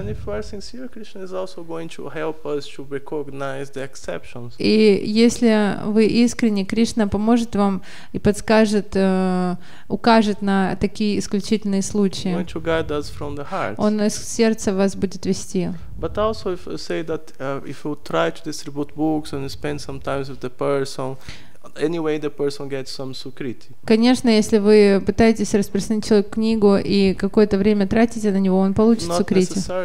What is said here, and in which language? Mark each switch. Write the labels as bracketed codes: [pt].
[en] And if we are sincere, Krishna is also going to help us to recognize the exceptions. [ru] И если вы искренне, Кришна поможет вам и подскажет, укажет на такие исключительные случаи. [en] He's going to guide us from the heart. [ru] Он из сердца вас будет вести. [en] But also if you say that if you try to distribute books and spend some time with the person, anyway, the person gets some sukriti. [ru] Конечно, если вы пытаетесь распространить человеку книгу и какое-то время тратите на него, он получит сукрити.